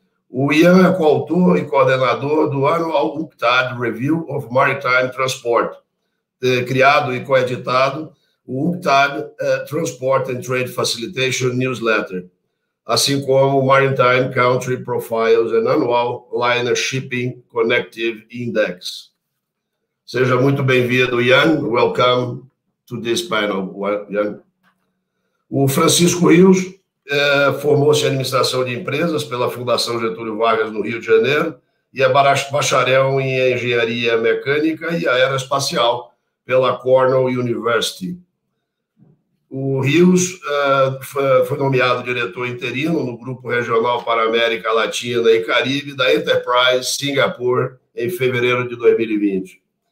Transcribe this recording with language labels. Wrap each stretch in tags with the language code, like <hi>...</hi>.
<pt>O Ian é coautor e coordenador do Annual UNCTAD Review of Maritime Transport, criado e coeditado o UNCTAD Transport and Trade Facilitation Newsletter, assim como o Maritime Country Profiles and Annual Liner Shipping Connective Index. Seja muito bem-vindo, Ian.</pt> <en>Welcome to this panel, Ian.</en> <pt>O Francisco Rios formou-se em Administração de Empresas pela Fundação Getúlio Vargas, no Rio de Janeiro, e é bacharel em Engenharia Mecânica e Aeroespacial pela Cornell University. O Rios foi nomeado diretor interino no Grupo Regional para América Latina e Caribe da Enterprise Singapore em fevereiro de 2020.</pt>